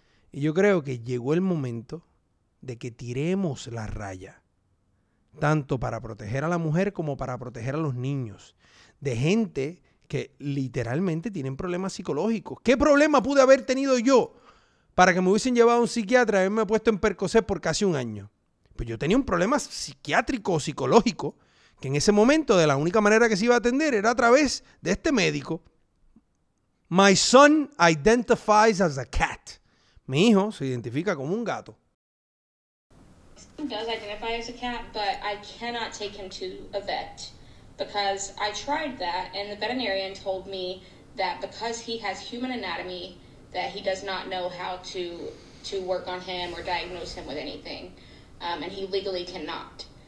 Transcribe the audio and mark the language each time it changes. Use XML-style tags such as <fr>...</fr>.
<es>Y yo creo que llegó el momento de que tiremos la raya, tanto para proteger a la mujer como para proteger a los niños, de gente que literalmente tienen problemas psicológicos. ¿Qué problema pude haber tenido yo para que me hubiesen llevado a un psiquiatra y haberme puesto en Percocet por casi un año? Pues yo tenía un problema psiquiátrico o psicológico que en ese momento de la única manera que se iba a atender era a través de este médico.</es> <en>My son identifies as a cat.</en> <es>Mi hijo se identifica como un gato.</es> <en>Does identify as a cat, but I cannot take him to a vet because I tried that and the veterinarian told me that because he has human anatomy that he does not know how to work on him or diagnose him with anything, and he legally cannot.</en>